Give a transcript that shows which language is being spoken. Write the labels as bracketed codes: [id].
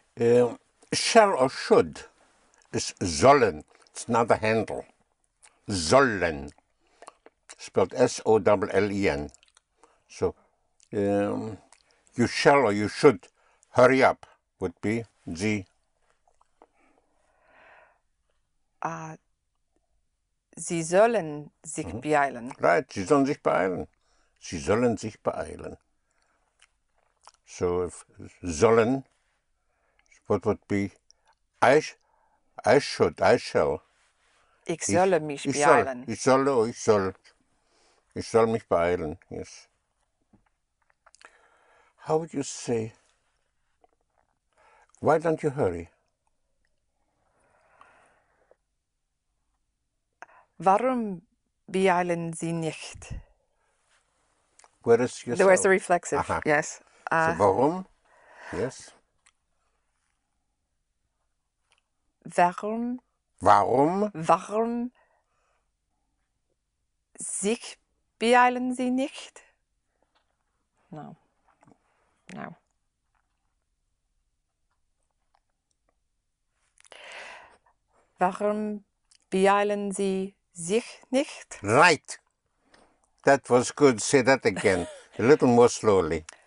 [en] Shall or should is sollen. It's not a handle. Sollen. Spelled Sollen. So, you shall or you should hurry up would be the. [de] Sie sollen sich beeilen. Right, sie sollen sich beeilen. Sie sollen sich beeilen. [en] So, if sollen, what would be? I should, I shall. [de] Ich solle mich Ich soll, beeilen. ich soll, oh, ich soll. Ich soll mich beeilen, yes. [en] How would you say? Why don't you hurry? [de] Warum beeilen Sie nicht? [en] Where is There was a yourself? reflexive, Aha. yes. So, warum? Yes. [de] Warum Warum? sich beeilen Sie nicht? No. No. Warum beeilen Sie sich nicht? [en] Right. That was good. Say that again, a little more slowly.